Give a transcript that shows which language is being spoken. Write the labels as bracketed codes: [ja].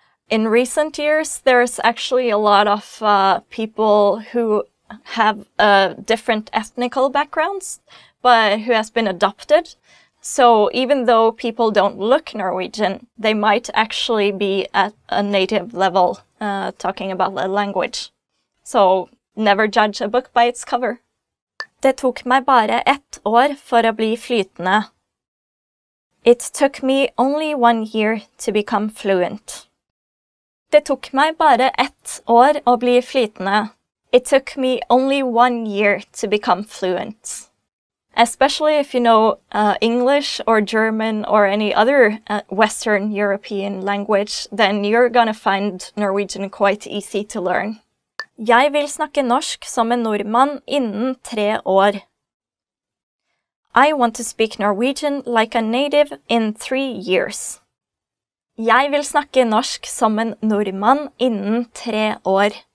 [en] In recent years, there's actually a lot of people who have different ethnical backgrounds, but who has been adopted. So even though people don't look Norwegian, they might actually be at a native level talking about the language. So never judge a book by its cover. [no] Det tok meg bare ett år for å bli flytende. [en] It took me only 1 year to become fluent. [no] Det tok meg bare ett år å bli flytende. [en] it took me only 1 year to become fluent. Especially if you know English or German or any other Western European language, then you're gonna find Norwegian quite easy to learn. [no] Jeg vil snakke norsk som en nordmann innen 3 år. [en] I want to speak Norwegian like a native in 3 years. [no] Jeg vil snakke norsk som en nordmann innen 3 år.